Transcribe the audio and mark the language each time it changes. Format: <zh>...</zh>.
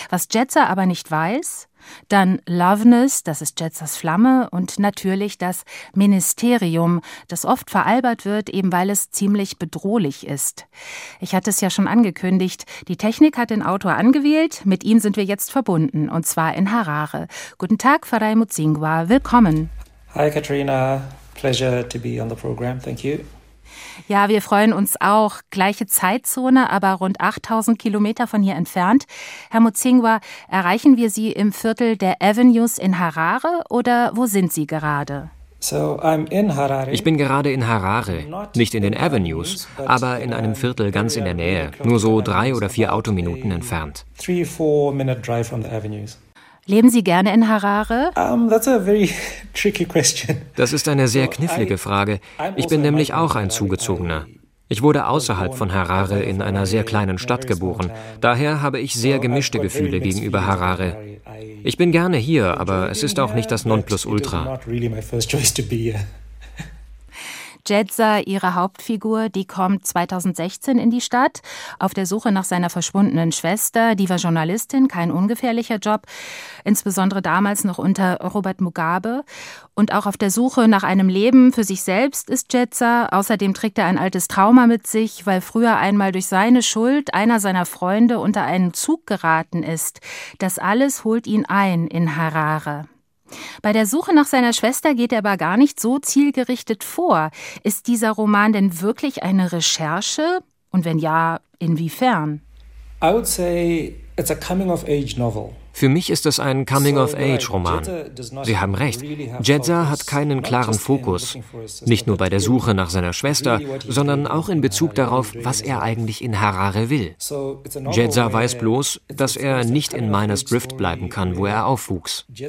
<de>Was Jetsa aber nicht weiß. Dann Loveness, das ist Jetsas Flamme. Und natürlich das Ministerium, das oft veralbert wird, eben weil es ziemlich bedrohlich ist. Ich hatte es ja schon angekündigt. Die Technik hat den Autor angewählt. Mit ihm sind wir jetzt verbunden, und zwar in Harare. Guten Tag, Farai Mudzingwa. Willkommen.</de> <en>Hi Katrina, pleasure to be on the program, thank you.</en> <de>Ja, wir freuen uns auch. Gleiche Zeitzone, aber rund 8000 Kilometer von hier entfernt. Herr Mudzingwa, erreichen wir Sie im Viertel der Avenues in Harare oder wo sind Sie gerade?</de> <en>So, I'm in Harare.</en> <de>Ich bin gerade in Harare, nicht in den Avenues, aber in einem Viertel ganz in der Nähe, nur so 3 oder 4 Autominuten entfernt.</de> <en>3-4 minute drive from the Avenues.</en> <de>Leben Sie gerne in Harare?</de> <en>That's a very tricky question.</en> <de>Das ist eine sehr knifflige Frage. Ich bin nämlich auch ein Zugezogener. Ich wurde außerhalb von Harare in einer sehr kleinen Stadt geboren. Daher habe ich sehr gemischte Gefühle gegenüber Harare. Ich bin gerne hier, aber es ist auch nicht das Nonplusultra. Jetsa, ihre Hauptfigur, die kommt 2016 in die Stadt, auf der Suche nach seiner verschwundenen Schwester. Die war Journalistin, kein ungefährlicher Job, insbesondere damals noch unter Robert Mugabe. Und auch auf der Suche nach einem Leben für sich selbst ist Jetsa. Außerdem trägt er ein altes Trauma mit sich, weil früher einmal durch seine Schuld einer seiner Freunde unter einen Zug geraten ist. Das alles holt ihn ein in Harare. Bei der Suche nach seiner Schwester geht er aber gar nicht so zielgerichtet vor. Ist dieser Roman denn wirklich eine Recherche? Und wenn ja, inwiefern?</de> <en>I would say it's a coming-of-age novel.</en> <de>Für mich ist es ein Coming-of-Age-Roman. Sie haben recht, Jetsa hat keinen klaren Fokus. Nicht nur bei der Suche nach seiner Schwester, sondern auch in Bezug darauf, was er eigentlich in Harare will. Jetsa weiß bloß, dass er nicht in Miner's Drift bleiben kann, wo er aufwuchs.</de>